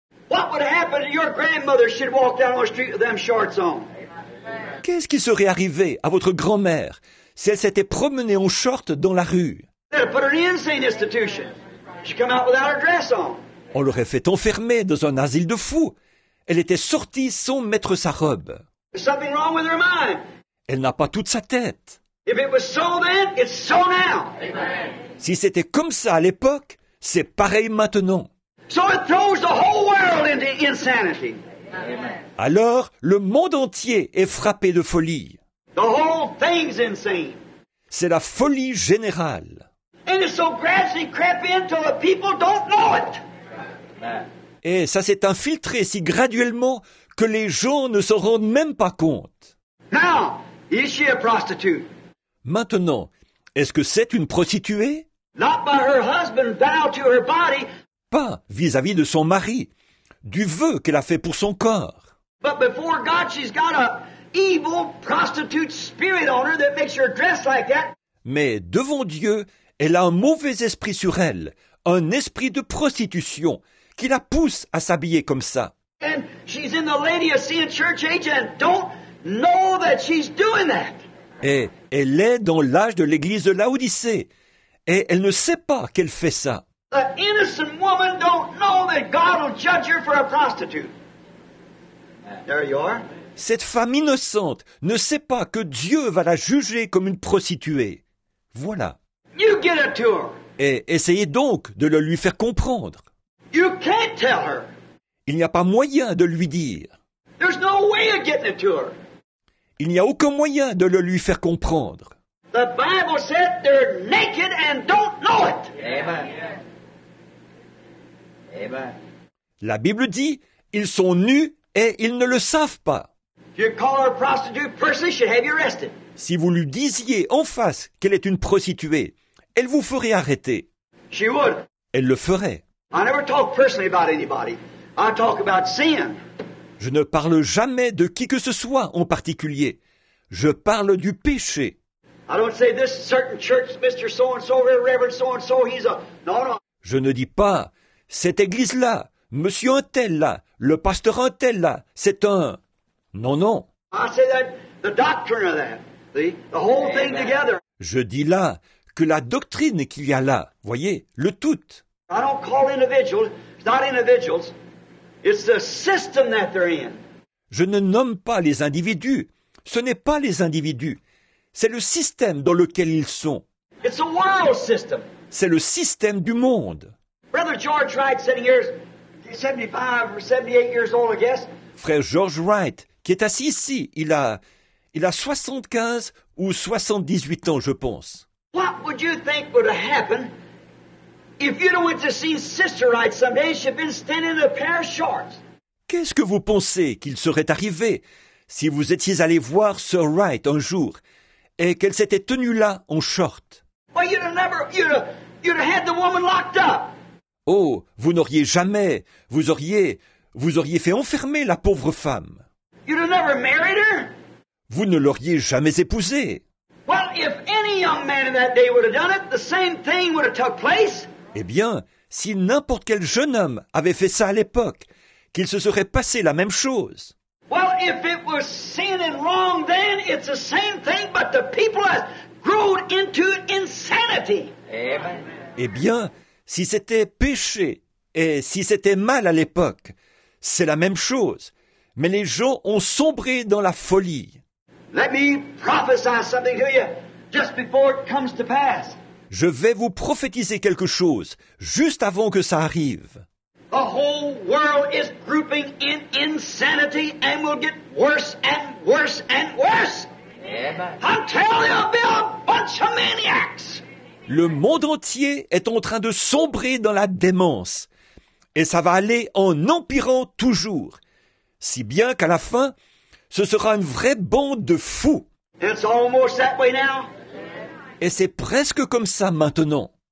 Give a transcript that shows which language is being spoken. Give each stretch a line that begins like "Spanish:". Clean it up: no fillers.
English: What would happen if your grandmother should walk down the street with them shorts on?
French: Qu'est-ce qui serait arrivé à votre grand-mère si elle s'était promenée en short dans la rue?
English: They'd put her in an insane institution. She'd come out without her dress on.
French: On l'aurait fait enfermer dans un asile de fous. Elle était sortie sans mettre sa robe.
English: There's something wrong with her mind.
French: Elle n'a pas toute sa tête.
English: If it was so then, it's so now. Amen.
French: Si c'était comme ça à l'époque, c'est pareil maintenant.
English: So it throws the whole world into insanity. Amen.
French: Alors, le monde entier est frappé de folie.
English: The whole thing's insane.
French: C'est la folie générale.
English: And it's so gradually crept in till the people don't know it.
French: Et ça s'est infiltré si graduellement que les gens ne s'en rendent même pas compte.
English: Now, is she a prostitute?
French: Maintenant, est-ce que c'est une prostituée?
English: Not by her husband, bow to her body.
French: Pas vis-à-vis de son mari, du vœu qu'elle a fait pour son corps.
English: But before God, she's got a evil prostitute spirit on her that makes her dress like that.
French: Mais devant Dieu, elle a un mauvais esprit sur elle, un esprit de prostitution qui la pousse à s'habiller comme ça.
English: And she's in the lady of sin church age and don't know that she's doing that.
French: Et elle est dans l'âge de l'église de Laodicée et elle ne sait pas qu'elle fait ça.
English: An innocent woman don't know that God will judge her for a prostitute. There you are.
French: Cette femme innocente ne sait pas que Dieu va la juger comme une prostituée. Voilà.
English: You get it to her.
French: Et essayez donc de le lui faire comprendre.
English: You can't tell her.
French: Il n'y a pas moyen de lui dire.
English: There's no way of getting it to her.
French: Il n'y a aucun moyen de le lui faire comprendre.
English: The Bible said they're naked and don't know it. Amen. Amen.
French: La Bible dit, ils sont nus et ils ne le savent pas.
English: If you call her a prostitute, personally, she'd have you arrested.
French: Si vous lui disiez en face qu'elle est une prostituée, elle vous ferait arrêter.
English: She would.
French: Elle le ferait.
English: I never talk personally about anybody. I talk about sin.
French: Je ne parle jamais de qui que ce soit en particulier. Je parle du péché.
English: I don't say this certain church, Mr. So-and-so, Reverend so-and-so, he's a... No, no.
French: Je ne dis pas, cette église-là, Monsieur un tel-là, le pasteur un tel-là, c'est un... Non, non.
English: I say that, the doctrine of that, the whole Amen. Thing together.
French: Je dis là que la doctrine qu'il y a là, voyez, le tout.
English: I don't call individuals, not individuals. It's the system that they're in.
French: Je ne nomme pas les individus. Ce n'est pas les individus. C'est le système dans lequel ils sont.
English: It's a world system.
French: C'est le système du monde.
English: Brother George Wright, sitting here, 75 or 78 years old, I guess.
French: Frère George Wright, qui est assis ici, il a 75 ou 78 ans, je pense.
English: What would you think would happen? If you don't want to see Sister Wright someday, she'd been standing in a pair of shorts.
French: Qu'est-ce que vous pensez qu'il serait arrivé si vous étiez allé voir Sir Wright un jour et qu'elle s'était tenue là en short?
English: Well, you'd have had the woman locked up.
French: Oh, vous n'auriez jamais, vous auriez fait enfermer la pauvre femme.
English: You'd have never married her.
French: Vous ne l'auriez jamais épousée.
English: Well, if any young some man in that day would have done it, the same thing would have took place.
French: Eh bien, si n'importe quel jeune homme avait fait ça à l'époque, qu'il se serait passé la même chose.
English: Well, if it was sin and wrong then, it's the same thing, but the people have grown into insanity. Amen.
French: Eh bien, si c'était péché et si c'était mal à l'époque, c'est la même chose. Mais les gens ont sombré dans la folie.
English: Let me prophesy something to you just before it comes to pass.
French: Je vais vous prophétiser quelque chose juste avant que ça arrive.
English: The whole world is grouping in insanity and will get worse and worse and worse. I'll tell you, there'll be a bunch of maniacs.
French: Le monde entier est en train de sombrer dans la démence. Et ça va aller en empirant toujours. Si bien qu'à la fin, ce sera une vraie bande de fous.
English: It's almost that way now.
French: Et c'est presque comme ça maintenant.